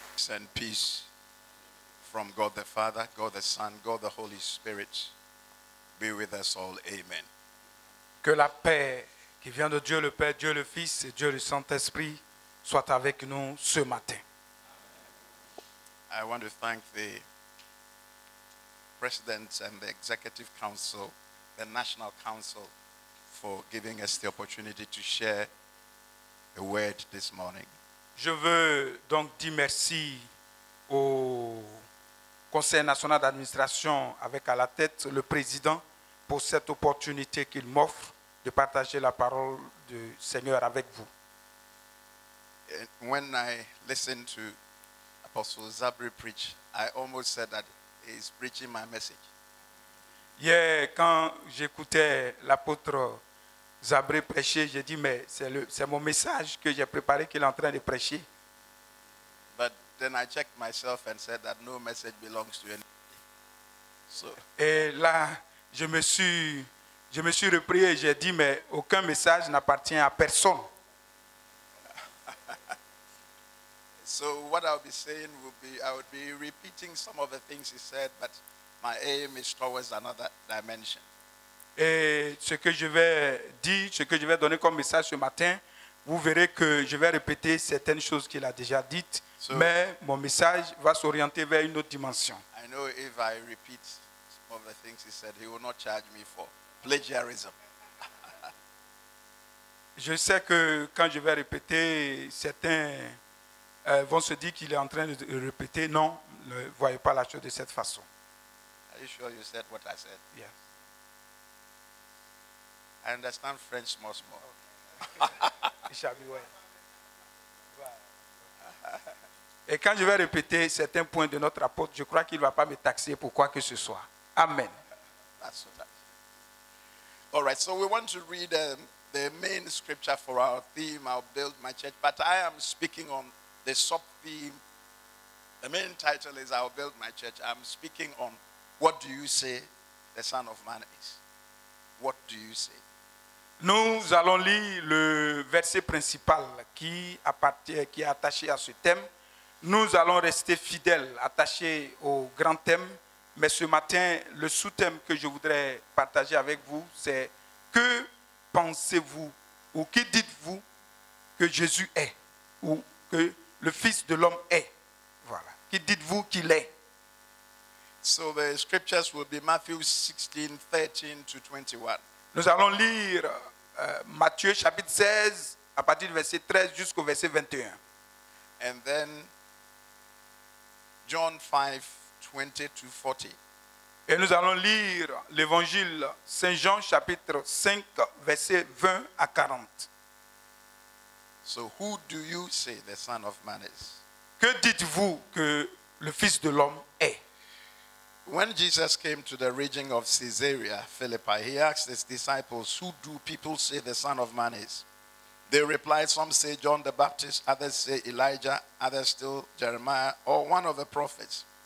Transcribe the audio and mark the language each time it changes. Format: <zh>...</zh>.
<en>And peace from God the Father, God the Son, God the Holy Spirit be with us all. Amen.</en> <fr>Que la paix qui vient de Dieu le Père, Dieu le Fils et Dieu le Saint-Esprit soit avec nous ce matin.</fr> <en>I want to thank the President and the Executive Council, the National Council, for giving us the opportunity to share a word this morning.</en> <fr>Je veux donc dire merci au Conseil national d'administration avec à la tête le président pour cette opportunité qu'il m'offre de partager la parole du Seigneur avec vous.</fr> <en>When I listened to Apostle Zabri preach, I almost said that he's preaching my message.</en> <fr>Hier, quand j'écoutais l'apôtre Zabri prêcher, j'ai dit mais c'est mon message que j'ai préparé qu'il est en train de prêcher.</fr> <en>Then I checked myself and said that no message belongs to anybody. So.</en> <fr>Et là, je me suis repris et j'ai dit mais aucun message n'appartient à personne.</fr> <en>So what I'll be saying will be I would be repeating some of the things he said, but my aim is towards another dimension.</en> <fr>Et ce que je vais dire, ce que je vais donner comme message ce matin, vous verrez que je vais répéter certaines choses qu'il a déjà dites. So, mais mon message va s'orienter vers une autre dimension.</fr> <en>I know if I repeat some of the things he said, he will not charge me for plagiarism.</en> <fr>Je sais que quand je vais répéter, certains vont se dire qu'il est en train de répéter. Non, ne voyez pas la chose de cette façon.</fr> <en>Are you sure you said what I said? Yes. I understand French more small. It shall be well.</en> <fr>Et quand je vais répéter certains points de notre apôtre, je crois qu'il ne va pas me taxer pour quoi que ce soit.</fr> <en>Amen. That's what that is. All right, so we want to read the main scripture for our theme, I'll build my church, but I am speaking on the sub-theme. The main title is I'll build my church. I'm speaking on what do you say the Son of Man is? What do you say?</en> <fr>Nous allons lire le verset principal qui est attaché à ce thème. Nous allons rester fidèles, attachés au grand thème. Mais ce matin, le sous-thème que je voudrais partager avec vous, c'est que pensez-vous ou que dites-vous que Jésus est ou que le Fils de l'homme est? Voilà. Que dites-vous qu'il est?</fr> <en>So the scriptures will be Matthew 16, 13 to 21.</en> <fr>Nous allons lire Matthieu chapitre 16 à partir du verset 13 jusqu'au verset 21.</fr> <en>And then John 5, 20 to 40.</en> <fr>Et nous allons lire l'évangile Saint Jean chapitre 5 verset 20 à 40.</fr> <en>So who do you say the Son of Man is?</en> <fr>Que dites-vous que le Fils de l'homme est?</fr> <en>When Jesus came to the region of Caesarea Philippi, he asked his disciples, who do people say the Son of Man is? They replied, some say John the Baptist, others say Elijah, others still Jeremiah, or one of the prophets.</en>